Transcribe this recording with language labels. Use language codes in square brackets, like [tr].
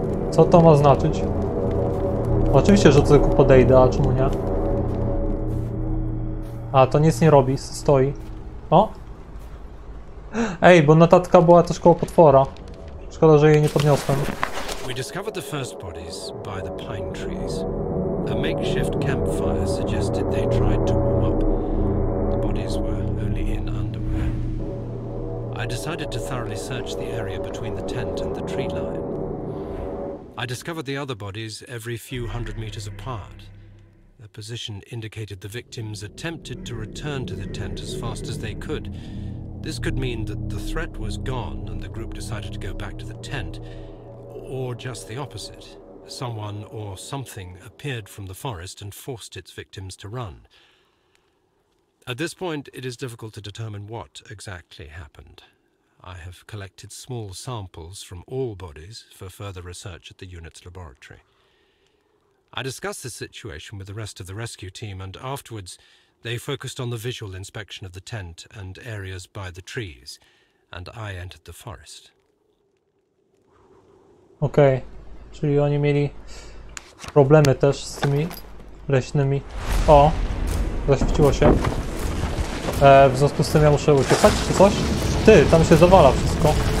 [pl] Co to ma znaczyć? Oczywiście, że tylko podejdę, a czemu nie? A, to nic nie robi, stoi. O! Ej, bo notatka była też koło potwora. Szkoda, że jej nie podniosłem. [en] We discovered the first bodies by the pine trees. A makeshift campfire suggested they tried to warm up. The bodies were only in underwear. I decided to thoroughly search the area between the tent and the tree line. I discovered the other bodies every few hundred meters apart. Their position indicated the victims attempted to return to the tent as fast as they could. This could mean that the threat was gone and the group decided to go back to the tent, or just the opposite. Someone or something appeared from the forest and forced its victims to run. At this point, it is difficult to determine what exactly happened. I have collected small samples from all bodies for further research at the unit's laboratory. I discussed the situation with the rest of the rescue team, and afterwards they focused on the visual inspection of the tent and areas by the trees, and I entered the forest. [pl] Okay, czyli oni mieli problemy też z tymi leśnymi. O, zaświeciło się. W związku z tym ja muszę uciekać czy coś? Ty, tam się zawala wszystko.